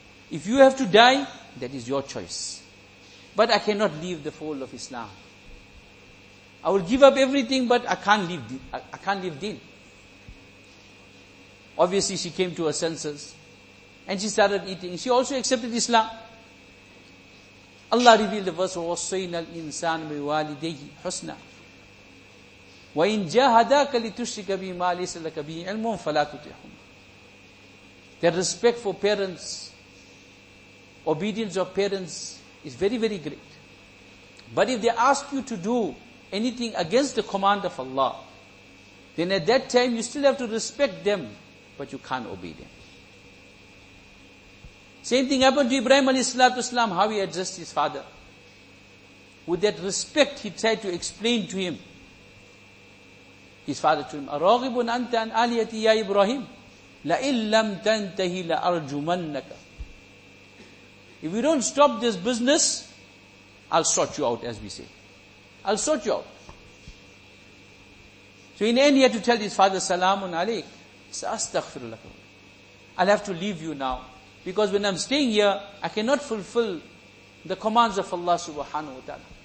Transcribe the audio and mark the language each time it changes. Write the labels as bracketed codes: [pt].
[en] If you have to die, that is your choice. But I cannot leave the fold of Islam. I will give up everything, but I can't leave deen. Obviously she came to her senses and she started eating. She also accepted Islam. Allah revealed the verse, [ar] وَوَصَّيْنَا الْإِنسَانَ بِوَالِدَيْهِ حُسْنًا وَإِنْ جَاهَدَاكَ لِتُشْرِكَ بِي مَا لَيْسَ لَكَ بِهِ عِلْمٌ فَلَا تُطِعْهُمَا. [en] Their respect for parents, obedience of parents is very, very great. But if they ask you to do anything against the command of Allah, then at that time you still have to respect them, but you can't obey them. Same thing happened to Ibrahim alayhi salam, how he addressed his father. With that respect, he tried to explain to him. His father told him, [ar] أَرَغِبٌ أَنْتَ أَنْ آلِيَتِي يَا إِبْرَاهِيمُ لَإِنْ لَمْ تَنْتَهِ لَأَرْجُمَنَّكَ. [en] If you don't stop this business, I'll sort you out, as we say. I'll sort you out. So in the end, he had to tell his father, [ar] سَلَامٌ عَلَيْكَ سَأَسْتَغْفِرُ لَكَ. [en] I'll have to leave you now. Because when I'm staying here, I cannot fulfill the commands of Allah subhanahu wa ta'ala.